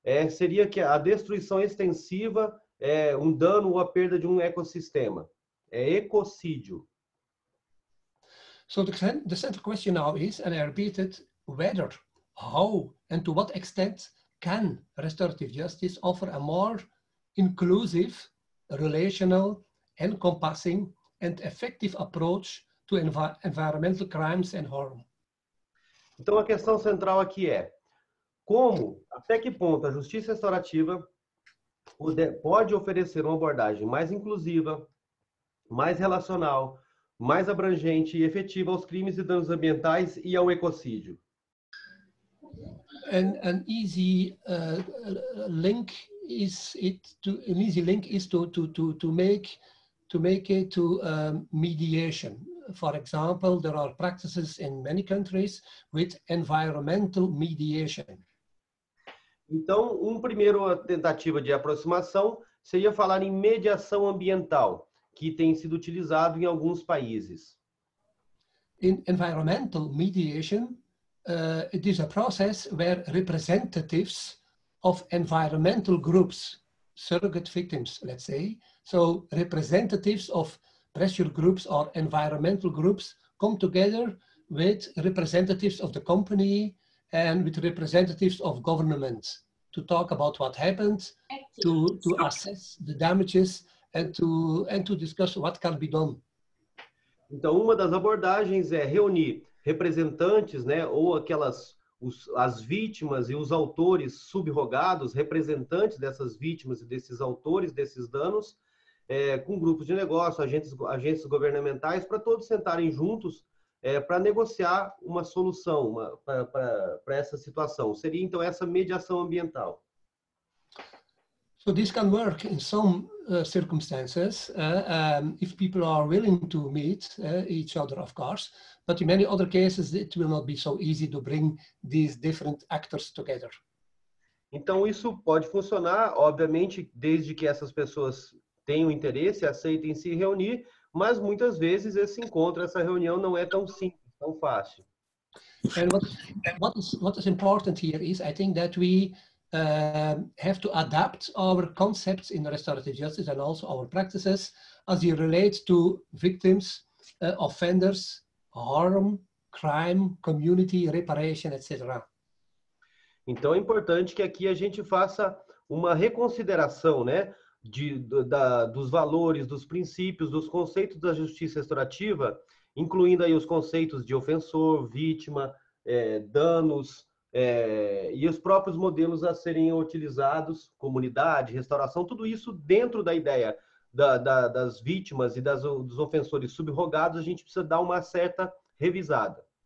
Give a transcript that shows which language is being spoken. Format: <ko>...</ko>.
<pt>Seria que a destruição extensiva é um dano ou a perda de um ecossistema. É ecocídio.</pt> <en>So the central question now is, and I repeat it, whether, how, and to what extent can restorative justice offer a more inclusive, relational, encompassing and effective approach to environmental crimes and harm.</en> <pt>Então, a questão central aqui é como, até que ponto, a justiça restaurativa pode oferecer uma abordagem mais inclusiva, mais relacional, mais abrangente e efetiva aos crimes e danos ambientais e ao ecocídio.</pt> <en>An easy link is to make to make it to mediation. For example, there are practices in many countries with environmental mediation.</en> <pt>Então, primeiro tentativa de aproximação seria falar em mediação ambiental, que tem sido utilizado em alguns países.</pt> <en>In environmental mediation, it is a process where representatives of environmental groups, surrogate victims, let's say, so representatives of pressure groups or environmental groups come together with representatives of the company and with representatives of government to talk about what happened, to assess the damages and to discuss what can be done.</en> <pt>Então, uma das abordagens é reunir representantes, né, ou aquelas as vítimas e os autores subrogados, representantes dessas vítimas e desses autores desses danos, com grupos de negócio, agentes governamentais, para todos sentarem juntos para negociar uma solução para essa situação. Seria, então, essa mediação ambiental.</pt> <en>So this can work in some circumstances if people are willing to meet each other, of course. But in many other cases, it will not be so easy to bring these different actors together.</en> <pt>Então isso pode funcionar, obviamente, desde que essas pessoas tenham interesse, aceitem se reunir. Mas muitas vezes esse encontro, essa reunião, não é tão simples, tão fácil.</pt> <en>And what is important here is, I think that we have to adapt our concepts in restorative justice and also our practices as it relates to victims, offenders, harm, crime, community, reparation, etc.</en> <pt>Então é importante que aqui a gente faça uma reconsideração, né, dos valores, dos princípios, dos conceitos da justiça restaurativa, incluindo aí os conceitos de ofensor, vítima, danos, e os próprios modelos a serem utilizados, comunidade, restauração, tudo isso dentro da ideia das vítimas e dos ofensores subrogados, a gente precisa dar uma certa revisada.</pt>